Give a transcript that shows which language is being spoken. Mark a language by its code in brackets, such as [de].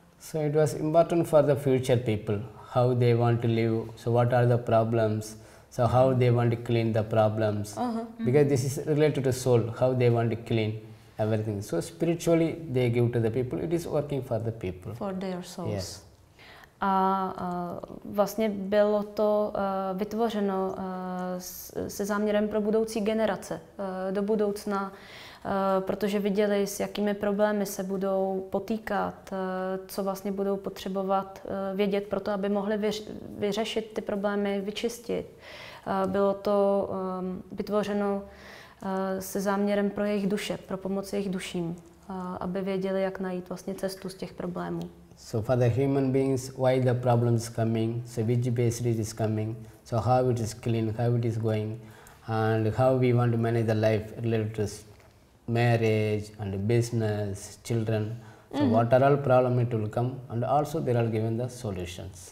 [en] so it was important for the future people, how they want to live, so what are the problems, so how they want to clean the problems. Because this is related to soul, how they want to clean. everything. So spiritually they give to the people, it is working for the people. For their souls. Yes. [cs] A vlastně bylo to vytvořeno se záměrem pro budoucí generace, do budoucna, protože viděli, s jakými problémy se budou potýkat, co vlastně budou potřebovat vědět pro to, aby mohli vyřešit ty problémy, vyčistit. Bylo to vytvořeno se záměrem pro jejich duše, pro pomoc jejich duším, aby věděli, jak najít vlastně cestu z těch problémů. [en] So for the human beings, why the problem is coming, so which base it is coming, so how it is clean, how it is going, and how we want to manage the life related to marriage and business, children. So mm-hmm. what are all problems it will come, and also they are given the solutions.